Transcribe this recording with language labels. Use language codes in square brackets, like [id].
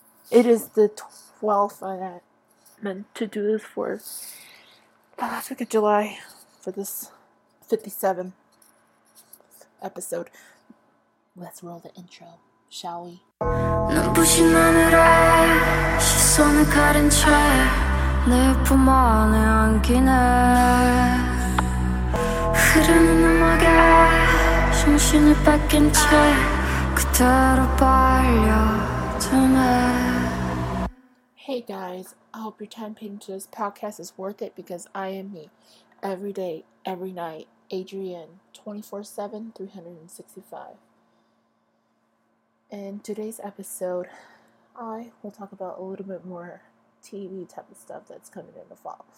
[en] It is the 12th I meant to do this for. Last week of July for this 57th episode. Let's roll the intro, shall we? [ko] 눈부신 하늘에 시선을 가린 채 내 품 안에 안기네 흐르는 음악에 정신이 뺏긴 채 그대로 빨려드네. [en] Hey guys, I hope your time paying to this podcast is worth it because I am me. Every day, every night, Adrienne, 24/7, 365. In today's episode, I will talk about a little bit more TV type of stuff that's coming in the fall.